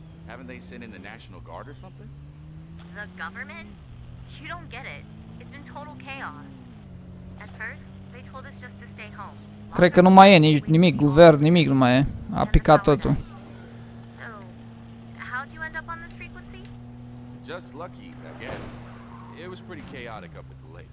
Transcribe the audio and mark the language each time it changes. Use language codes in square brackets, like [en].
[en] Haven't they sent in the National Guard or something? The government? You don't get it. It's been total chaos. At first, they told us just to stay home. [ro] Cred că nu mai e nici nimic, guvern, nimic nu mai e. A picat totul. [en] So, how did you end up on this frequency? Just lucky, I guess. It was pretty chaotic up at the lake.